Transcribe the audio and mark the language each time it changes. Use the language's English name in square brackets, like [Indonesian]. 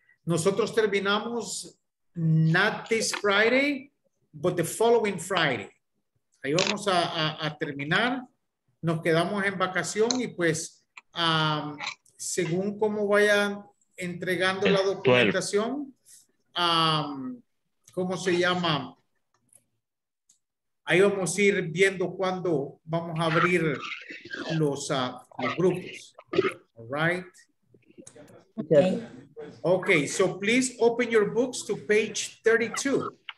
[Spanish] Nosotros terminamos [English] not this Friday, but the following Friday. [Spanish] Ahí vamos a terminar. Nos quedamos en vacación y pues según cómo vayan entregando la documentación, ¿cómo se llama? Ahí vamos a ir viendo cuándo vamos a abrir los grupos. [English] All right. Okay, so please open your books to page 32.